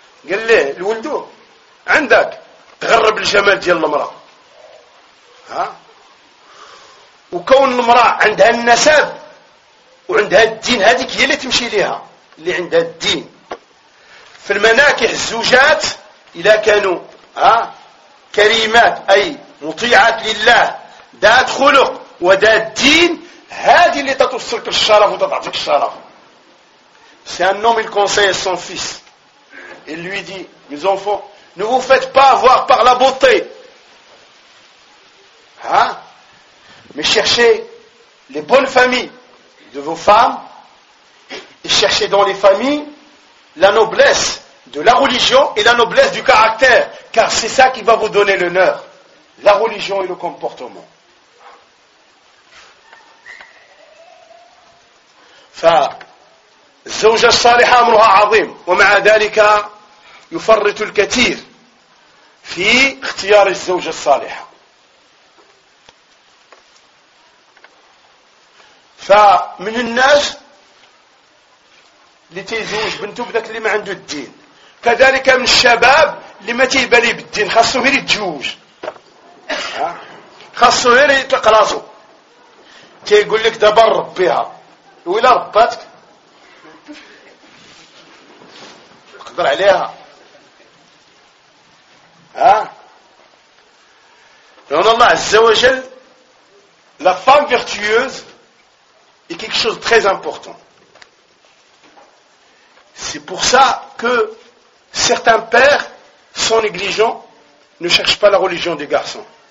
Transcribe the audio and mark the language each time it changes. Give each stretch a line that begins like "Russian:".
Arabic: قال ليه الولدو عندك تغرب الجمال ديال المرأة، ها؟ وكون المرأة عندها النسب وعندها الدين هذيك هي اللي تمشي ليها، اللي عندها الدين. في المناكح الزوجات إذا كانوا كريمات أي مطيعات لله ذات خلق وذات دين، هذه اللي تتوصلك الشرف وتضعفك الشرف.
French: C'est un homme, il conseille son fils. Il lui dit, mes enfants, ne vous faites pas avoir par la beauté. Hein? Mais cherchez les bonnes familles de vos femmes et cherchez dans les familles la noblesse de la religion et la noblesse du caractère. Car c'est ça qui va vous donner l'honneur. La religion et le comportement.
Arabic: Enfin, الزوجة الصالحة أمرها عظيم ومع ذلك يفرط الكثير في اختيار الزوجة الصالحة. فمن الناس اللي تيزوج بنته بداك اللي ما عنده الدين، كذلك من الشباب اللي ما تيبالي بالدين، خاصو غير يتزوج، خاصو غير يطلق راسو. تيقول لك دابا ربيها، ولا رباتك عليها. ها؟ لأن الله عز وجل
French: la femme vertueuse est quelque chose de très important. C'est pour ça que certains pères sont négligents, ne cherchent pas la religion des garçons.